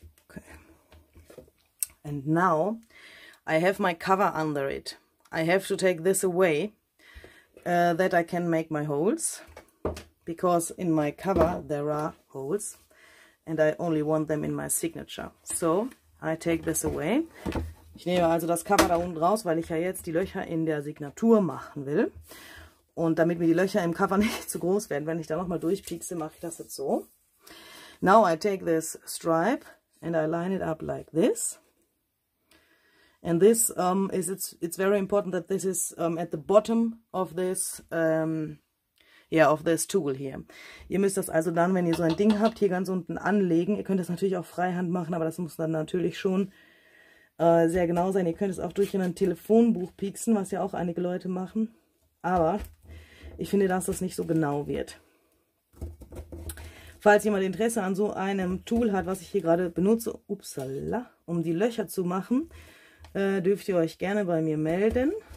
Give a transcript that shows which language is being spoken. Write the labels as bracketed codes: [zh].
[en] Okay. And now I have my cover under it. I have to take this away that I can make my holes, because in my cover there are holes and I only want them in my signature. So I take this away. [de] Ich nehme also das Cover da unten raus, weil ich ja jetzt die Löcher in der Signatur machen will. Und damit mir die Löcher im Cover nicht zu groß werden, wenn ich da nochmal durchpiekse, mache ich das jetzt so. [en] Now I take this stripe and I line it up like this. And this it's very important that this is at the bottom of this of this tool here. [de] Ihr müsst das also dann, wenn ihr so ein Ding habt, hier ganz unten anlegen. Ihr könnt das natürlich auch freihand machen, aber das muss dann natürlich schon sehr genau sein. Ihr könnt es auch durch ein Telefonbuch pieksen, was ja auch einige Leute machen. Aber ich finde, dass das nicht so genau wird. Falls jemand Interesse an so einem Tool hat, was ich hier gerade benutze, upsala, um die Löcher zu machen, dürft ihr euch gerne bei mir melden.